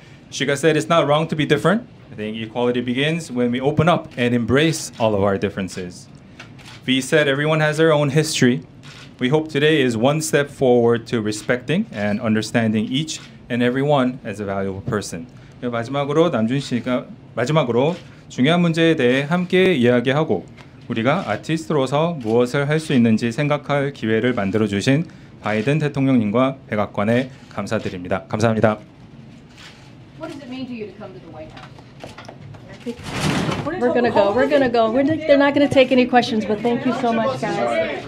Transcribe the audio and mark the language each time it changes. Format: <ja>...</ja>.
<en>Shiga said it's not wrong to be different. I think equality begins when we open up and embrace all of our differences. V said everyone has their own history. We hope today is one step forward to respecting and understanding each and every one as a valuable person.</en> <ko>마지막으로 남준 씨가 마지막으로 중요한 문제에 대해 함께 이야기하고 우리가 아티스트로서 무엇을 할 수 있는지 생각할 기회를 만들어 주신 바이든 대통령님과 백악관에 감사드립니다. 감사합니다.</ko> <en>What does it mean to you to come to the White House? We're gonna go. We're gonna go. We're they're not gonna take any questions, but thank you so much, guys.</en>